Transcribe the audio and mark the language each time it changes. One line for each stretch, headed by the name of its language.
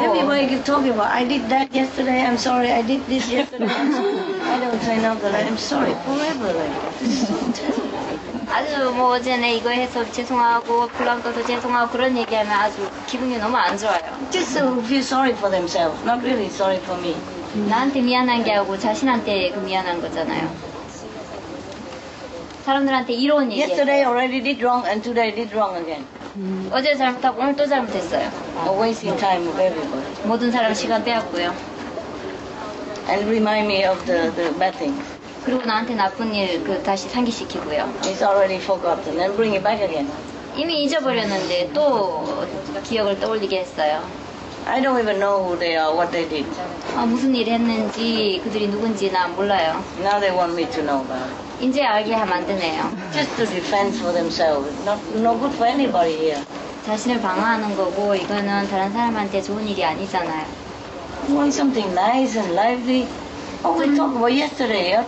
English: Everybody keep talking about I did that yesterday. I'm sorry. I did this yesterday. I don't say now that I'm sorry forever. Like
Korean: 아주 뭐 어제네 이거 해서 죄송하고 불안 떠서 죄송하고 그런 얘기하면 아주 기분이 너무 안 좋아요.
English: Just feel sorry for themselves. Not really sorry for me.
Korean: 나한테 미안한 게 아니고 자신한테 그 미안한 거잖아요. 사람들한테 이런 얘기.
English: Yesterday already did wrong and today did wrong again.
Korean: 어제 잘못하고 오늘 또 잘못했어요.
English: A wasting time of everybody.
Korean: 모든 사람 시간 빼앗고요.
English: And remind me of the bad things.
Korean: 그리고 나한테 나쁜 일 그 다시 상기시키고요.
English: It's already forgotten and bring it back again.
Korean: 이미 잊어버렸는데 또 기억을 떠올리게 했어요.
English: I don't even know who they are, what they did.
Korean: 아, 무슨 일 했는지 그들이 누군지 난 몰라요.
English: Now they want me to know about.
Korean: 이제 알게 만드네요.
English: Just to defend for themselves. No good for anybody here.
Korean: 자신을 방어하는 거고 이거는 다른 사람한테 좋은 일이 아니잖아요.
English: Want something nice and lively? Oh, we talk about yesterday.